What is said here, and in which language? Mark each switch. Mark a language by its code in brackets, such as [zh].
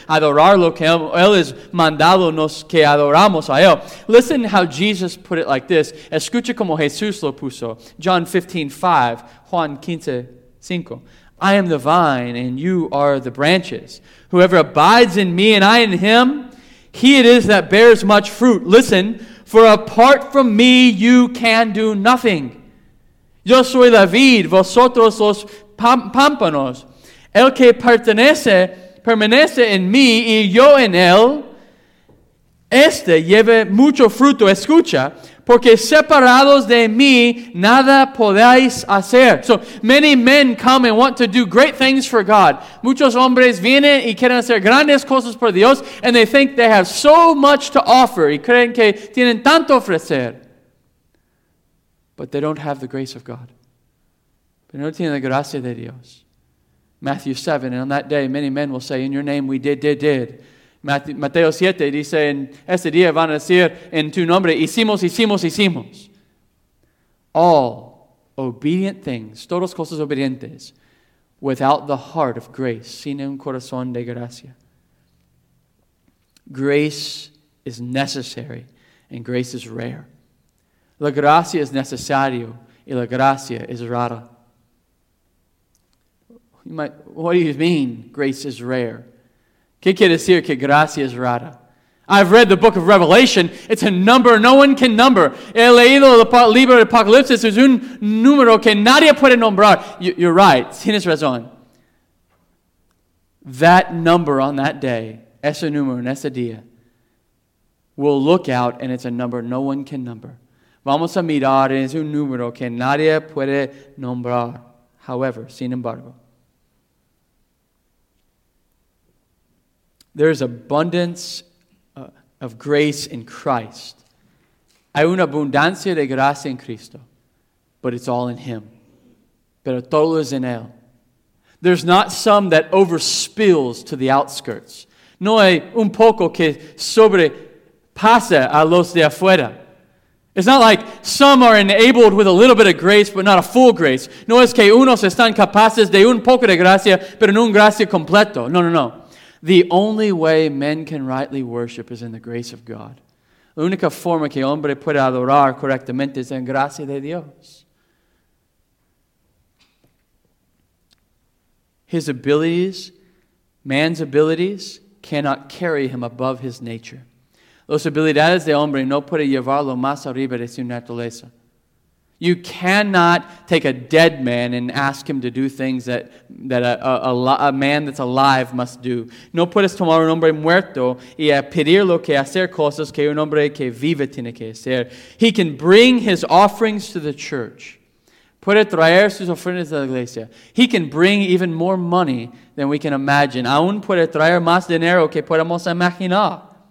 [es] Adorar lo que Él es mandado nos que adoramos a Él. [en] Listen how Jesus put it like this. [es] Escucha como Jesús lo puso. [en] John 15:5, Juan 15:5. I am the vine and you are the branches. Whoever abides in me and I in him, he it is that bears much fruit. Listen, for apart from me you can do nothing. [es] Yo soy la vid, vosotros los pámpanos. El que permanece en mí y yo en él, este lleva mucho fruto. Escucha, porque separados de mí nada podéis hacer. [en] So many men come and want to do great things for God. [es] Muchos hombres vienen y quieren hacer grandes cosas por Dios, [en] and they think they have so much to offer. [es] Y creen que tienen tanto ofrecer. [en] But they don't have the grace of God. [es] Pero no tienen la gracia de Dios. [en] Matthew 7, and on that day, many men will say, in your name we did. [es] Mateo 7 dice, en ese día van a decir, en tu nombre, hicimos. [en] All obedient things, [es] todas cosas obedientes, [en] without the heart of grace, [es] sin un corazón de gracia. [en] Grace is necessary, and grace is rare. [es] La gracia es necesario y la gracia es rara. [en] What do you mean, grace is rare? [es] ¿Qué quiere decir que gracia es rara? [en] I've read the book of Revelation. It's a number no one can number. [es] He leído el libro de Apocalipsis. Es un número que nadie puede nombrar. [en] You're right. [es] Tienes razón. [en] That number on that day, [es] ese número en ese día, [en] will look out and it's a number no one can number. [es] Vamos a mirar, es un número que nadie puede nombrar. [en] However, [es] sin embargo, [en] there is abundance of grace in Christ. [es] Hay una abundancia de gracia en Cristo, [en] but it's all in Him. [es] Pero todo es en Él. [en] There's not some that overspills to the outskirts. [es] No hay un poco que sobrepasa a los de afuera. It's not like some are enabled with a little bit of grace, but not a full grace. No es que unos están capaces de un poco de gracia, pero no un gracia completo. No. [en] The only way men can rightly worship is in the grace of God. [es] La única forma que hombre puede adorar correctamente es en gracia de Dios. [en] His abilities, man's abilities, cannot carry him above his nature. [es] Las habilidades de hombre no puede llevarlo más arriba de su naturaleza. [en] You cannot take a dead man and ask him to do things that a man that's alive must do. [es] No puedes tomar un hombre muerto y a pedirlo que hacer cosas que un hombre que vive tiene que hacer. [en] He can bring his offerings to the church. [es] Puede traer sus ofrendas a la iglesia. [en] He can bring even more money than we can imagine. [es] Aún puede traer más dinero que podemos imaginar.